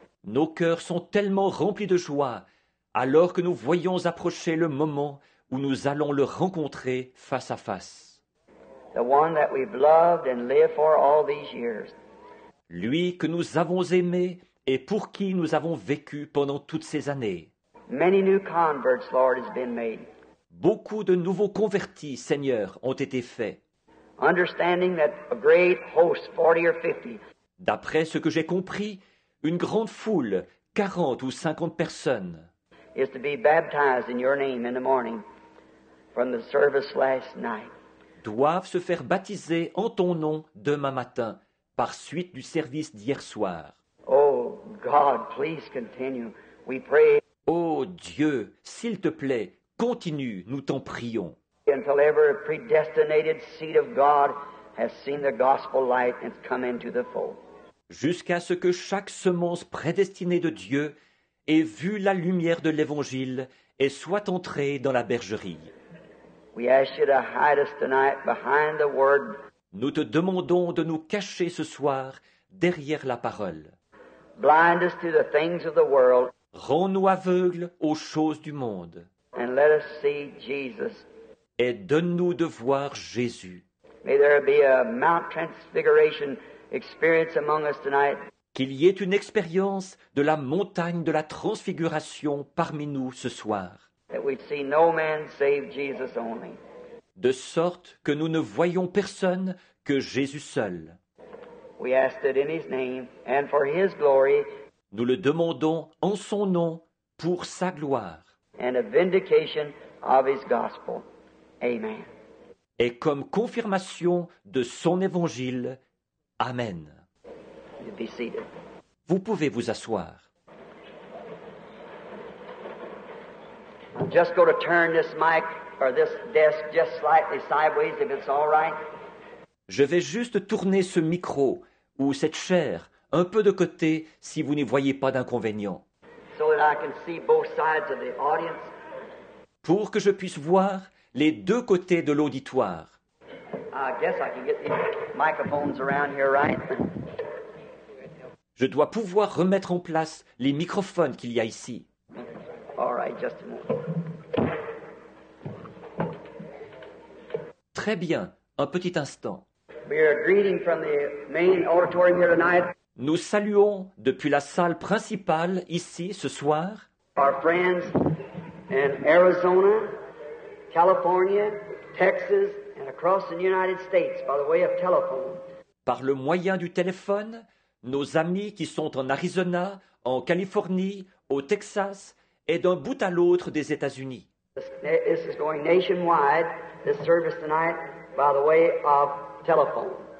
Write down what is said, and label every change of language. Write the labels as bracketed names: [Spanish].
[French] Nos cœurs sont tellement remplis de joie alors que nous voyons approcher le moment où nous allons le rencontrer face à face. [English] The one that we've loved and lived for all these years. [French] Lui que nous avons aimé et pour qui nous avons vécu pendant toutes ces années. [English] Many new converts, Lord, has been made. [French] Beaucoup de nouveaux convertis, Seigneur, ont été faits. [English] Understanding that a great host, 40 or 50, [French] d'après ce que j'ai compris, une grande foule, 40 ou 50 personnes, [English] is to be baptized in Your name in the morning from the service last night. [French] Doivent se faire baptiser en Ton nom demain matin par suite du service d'hier soir. [English] Oh, God, please continue. We pray. [French] Oh, Dieu, s'il te plaît, continue, nous t'en prions. [English] Until every predestinated seed of God has seen the gospel light and come into the fold. [French] Jusqu'à ce que chaque semence prédestinée de Dieu ait vu la lumière de l'Évangile et soit entrée dans la bergerie. [English] We ask You to hide us tonight behind the word. [French] Nous te demandons de nous cacher ce soir derrière la parole. [English] Blind us to the things of the world. [French] Rends-nous aveugles aux choses du monde. [English] And let us see Jesus. [French] Et donne-nous de voir Jésus. [English] May there be a Mount Transfiguration experience among us tonight. [French] Qu'il y ait une expérience de la montagne de la transfiguration parmi nous ce soir. [English] That we see no man save Jesus only. [French] de sorte que nous ne voyons personne que Jésus seul. [English] We ask that in his name and for his glory. [French] Nous le demandons en son nom pour sa gloire. [English] And a vindication of his gospel. Amen. [French] Et comme confirmation de son évangile. Amen. [English] Be seated. [French] Vous pouvez vous asseoir. [English] I'm just going to turn this mic or this desk just slightly sideways if it's all right. [French] Je vais juste tourner ce micro ou cette chaire un peu de côté si vous n'y voyez pas d'inconvénient. [English] So that I can see both sides of the audience. [French] Pour que je puisse voir les deux côtés de l'auditoire. [English] I guess I can get these microphones around here, right? [French] Je dois pouvoir remettre en place les microphones qu'il y a ici. [English] All right, just a moment. [French] Très bien, un petit instant. [English] We are greeting from the main auditorium here tonight. [French] Nous saluons depuis la salle principale ici ce soir. [English] Our friends in Arizona, California, Texas, and across the United States by the way of telephone. [French] Par le moyen du téléphone, nos amis qui sont en Arizona, en Californie, au Texas et d'un bout à l'autre des États-Unis. [English] This is going nationwide, this service tonight, by the way of telephone.